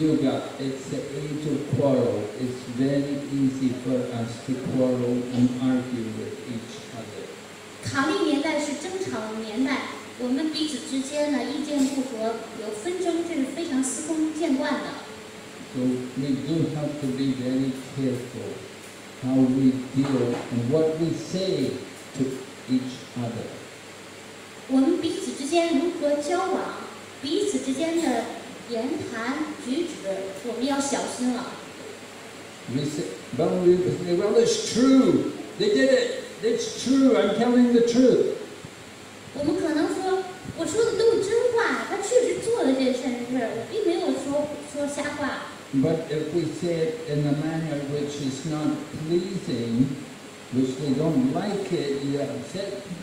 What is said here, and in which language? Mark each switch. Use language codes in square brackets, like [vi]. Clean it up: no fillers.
[en] So, Kali Yuga, it's the age of quarrel. It's very easy for us to quarrel and argue with each other. [zh] 卡利年代是争吵的年代，我们彼此之间呢意见不合，有纷争，这是非常司空见惯的。 [en] So we do have to be very careful how we deal and what we say to each other. [zh] 我们彼此之间如何交往，彼此之间的言谈举止，我们要小心了。 [en] Well, it's true. They did it. It's true. I'm telling the truth. [zh] 我们可能说，我说的都是真话，他确实做了这件事，我并没有说瞎话。 [en] But if we say it in a manner which is not pleasing, which they don't like it, you're upset.